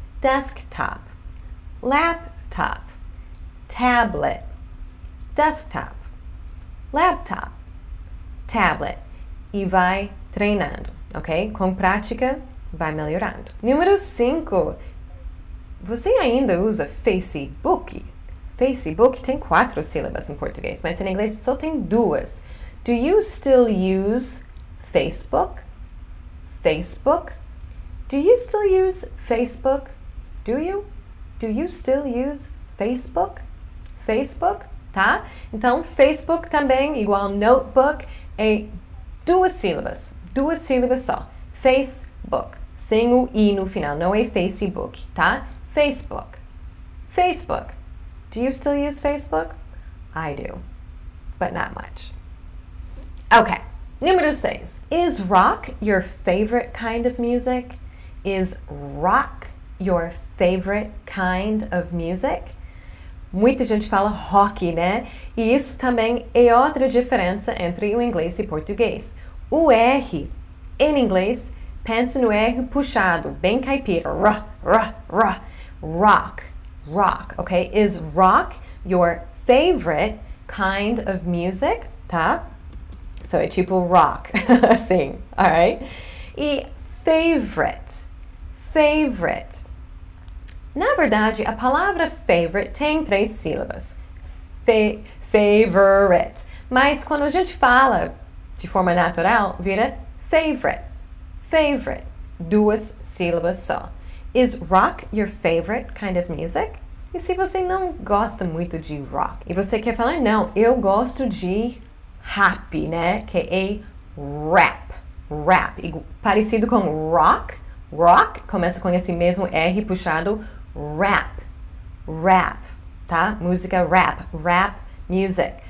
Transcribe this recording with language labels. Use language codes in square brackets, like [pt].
[en] Desktop, laptop, tablet, desktop, laptop, tablet. [pt] E vai treinando, ok? Com prática, vai melhorando. Número 5. Você ainda usa Facebook? Facebook tem quatro sílabas em português, mas em inglês só tem duas. [en] Do you still use Facebook? Facebook? Do you still use Facebook? Do you? Do you still use Facebook? [pt] Facebook, tá? Então, Facebook também, igual notebook, é duas sílabas só. Facebook, sem o i no final, não é Facebook, tá? [en] Facebook. Facebook. Do you still use Facebook? I do, but not much. Okay, [pt] número 6. [en] Is rock your favorite kind of music? Is rock your favorite kind of music? [pt] Muita gente fala rock, né? E isso também é outra diferença entre o inglês e o português. O R, em inglês, pensa no R puxado, bem caipira. [en] Rock, rock, ok? Is rock your favorite kind of music? [pt] Tá? So, é tipo rock, assim, alright? E favorite, favorite. Na verdade, a palavra favorite tem três sílabas. Favorite. Mas quando a gente fala de forma natural, vira favorite. Favorite. Duas sílabas só. [en] Is rock your favorite kind of music? [pt] E se você não gosta muito de rock? E você quer falar, não, eu gosto de rap, né? Que é rap. Rap. E parecido com rock. Rock começa com esse mesmo R puxado. Rap, rap, tá? Música rap, [en] rap music.